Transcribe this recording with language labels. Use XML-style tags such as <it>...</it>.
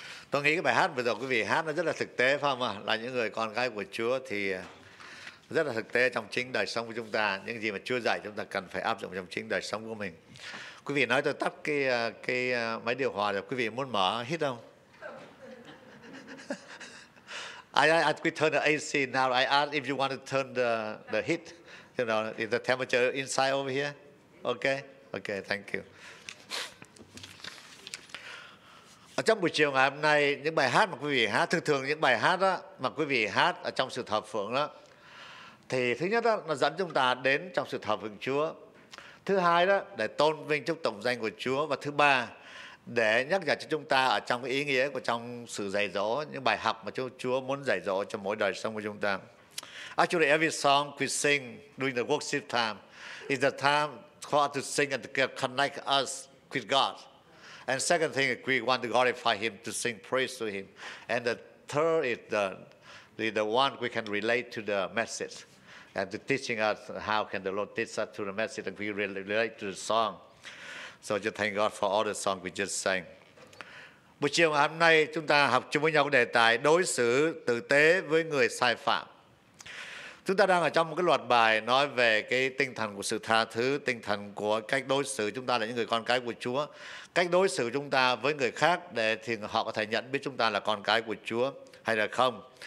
<vi>Tôi nghĩ cái bài hát vừa rồi quý vị hát nó rất là thực tế, phải không ạ? Là những người con gái của Chúa thì rất là thực tế trong chính đời sống của chúng ta, những gì mà Chúa dạy chúng ta cần phải áp dụng trong chính đời sống của mình. Quý vị nói tôi tắt cái máy điều hòa rồi, quý vị muốn mở hít không?</vi> <en>I could turn the AC now. I ask if you want to turn the heat, you know, the temperature inside over here. Okay, thank you.</en> <vi>Ở trong buổi chiều ngày hôm nay, những bài hát mà quý vị hát, thường thường những bài hát đó mà quý vị hát ở trong sự thờ phượng đó, thì thứ nhất đó là dẫn chúng ta đến trong sự thờ phượng Chúa. Thứ hai đó, để tôn vinh chúc tụng danh của Chúa. Và thứ ba, để nhắc nhở cho chúng ta ở trong cái ý nghĩa của trong sự dạy dỗ, những bài học mà Chúa muốn dạy dỗ cho mỗi đời sống của chúng ta.</vi> <en>Actually, every song we sing during the worship time is the time for us to sing and to connect us with God. And second thing, we want to glorify Him, to sing praise to Him. And the third is the one we can relate to the message. And to teaching us how can the Lord teach us to the message that we really relate to the song. So just thank God for all the songs we just sang.</en> <vi>Buổi chiều ngày hôm nay chúng ta học chung với nhau đề tài đối xử tử tế với người sai phạm. Chúng ta đang ở trong một cái loạt bài nói về cái tinh thần của sự tha thứ, tinh thần của cách đối xử chúng ta là những người con cái của Chúa, cách đối xử chúng ta với người khác để thì họ có thể nhận biết chúng ta là con cái của Chúa hay là không.</vi>